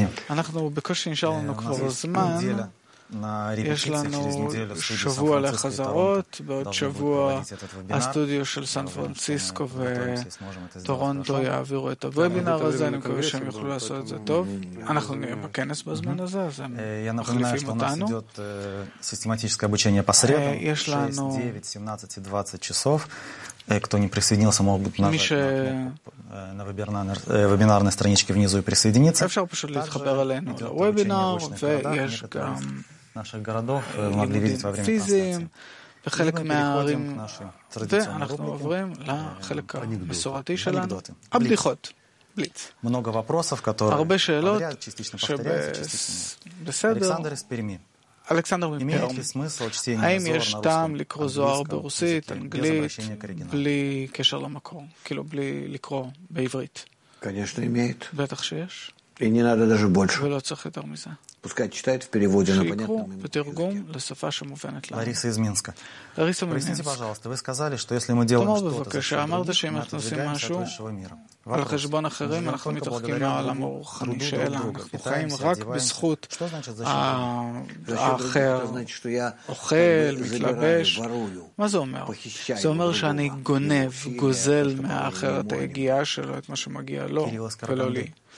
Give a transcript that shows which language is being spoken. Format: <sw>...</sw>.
<he>אנחנו בקושי נשאר לנו כבר זמן. יש לנו שבוע לחזרות, בעוד שבוע הסטודיו של סן פרנסיסקו וטורונטו יעבירו את הוובינר הזה, אני מקווה שהם יוכלו לעשות את זה טוב. אנחנו נהיה בכנס בזמן הזה, אז הם מחליפים אותנו.</he> <ru>систематическое обучение по средам, 6, 9, 17, 20 часов. Кто не присоединился, мог бы нажать на вебинарной страничке внизу и присоединиться. Также идет обучение в обычных городах, наших городов, вы могли видеть во время трансляции.</ru> <he>וחלק מהערים, ואנחנו עוברים לחלק המסורתי שלנו, הבדיחות.</he> <ru>много вопросов, которые</ru> <he>הרבה שאלות,</he> <ru>Александр из Перми. Александр Мимпером.</ru> <he>האם יש טעם לקרוא זוהר ברוסית, אנגלית, בלי קשר למקור, כאילו בלי לקרוא בעברית?</he> <ru>конечно, имеет.</ru> <he>בטח שיש.</he> <ru>и не надо даже больше.</ru> <he>ולא צריך יותר מזה.</he> <ru>пускай читает в переводе на понятном языке. Лариса из Минска. Лариса, простите, пожалуйста, вы сказали, что если мы делаем что-то за счет других, мы отодвигаемся от высшего мира.</ru> <he>על חשבון אחרים אנחנו מתרחקים מהעולם הרוחני שלנו, אנחנו חיים רק בזכות האחר, אוכל, מתלבש. מה זה אומר? זה אומר שאני גונב, גוזל מהאחר את היגיעה שלו, את מה שמגיע לו ולא לי.</he>